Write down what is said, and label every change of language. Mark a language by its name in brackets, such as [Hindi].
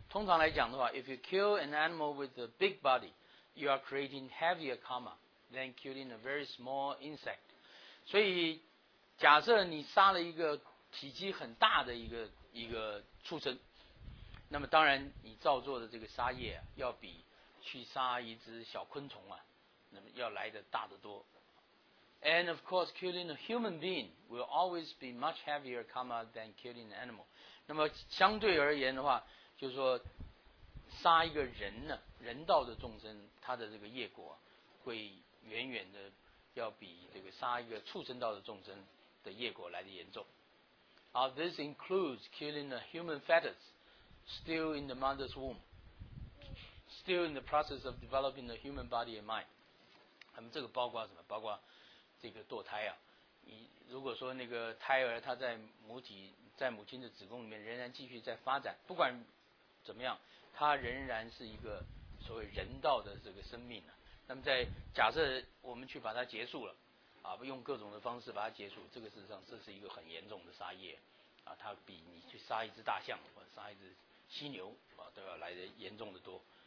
[Chinese] 通常来讲的话 [English] if you kill an animal with a big body, you are creating heavier karma than killing a very small insect. [Chinese] 所以假设你杀了一个体积很大的一个畜生，那么当然你造作的这个杀业、啊、要比去杀一只小昆虫啊，那么要来得大得多。 [English] And of course, killing a human being will always be much heavier karma than killing an animal. [Chinese] 那么相对而言的话，就是说杀一个人呢，人道的众生他的这个业果会远远的要比这个杀一个畜生道的众生的业果来的严重。 [English] This includes killing a human fetus still in the mother's womb, still in the process of developing the human body and mind. [Chinese] 那么这个包括什么？包括这个堕胎啊，你如果说那个胎儿他在母亲的子宫里面仍然继续在发展，不管怎么样，它仍然是一个所谓人道的这个生命、啊、那么在假设我们去把它结束了啊，用各种的方式把它结束，这个事实上这是一个很严重的杀业啊，它比你去杀一只大象或者杀一只犀牛啊都要来的严重的多。